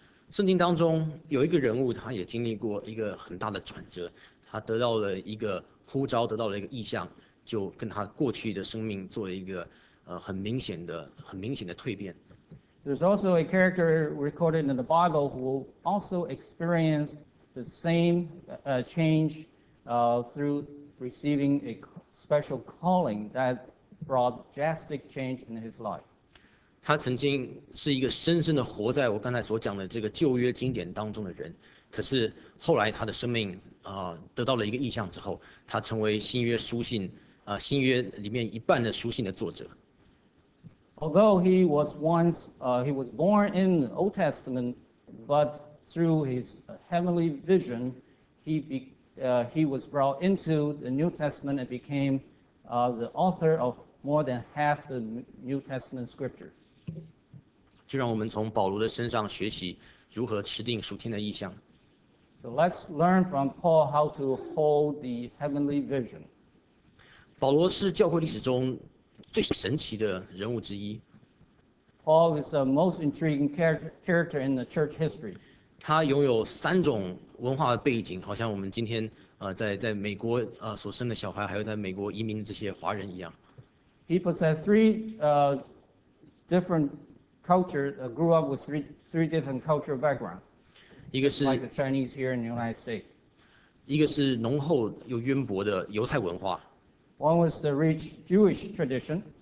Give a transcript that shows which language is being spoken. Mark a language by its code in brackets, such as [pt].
[zh] 圣经当中有一个人物，他也经历过一个很大的转折，他得到了一个呼召，得到了一个异象，就跟他过去的生命做了一个很明显的蜕变。 [en] There's also a character recorded in the Bible who also experienced the same change through receiving a special calling that brought drastic change in his life. [zh] 他曾经是一个深深的活在我刚才所讲的这个旧约经典当中的人，可是后来他的生命得到了一个异象之后，他成为新约书信新约里面一半的书信的作者。 [en] Although he was once, he was born in the Old Testament, but through his heavenly vision, he was brought into the New Testament and became the author of more than half the New Testament scripture. [zh] 就让我们从保罗的身上学习如何持定属天的意象。 [en] So let's learn from Paul how to hold the heavenly vision. [zh] 保罗是教会历史中最神奇的人物之一。 [en] Paul is the most intriguing character in the church history. [zh] 他拥有三种文化的背景，好像我们今天在美国所生的小孩，还有在美国移民的这些华人一样。 [en] He possessed three different culture, grew up with three different cultural background. [zh] 一个是 [en] like the Chinese here in the United States. [zh] 一个是浓厚又渊博的犹太文化。 [en] One was the rich Jewish tradition.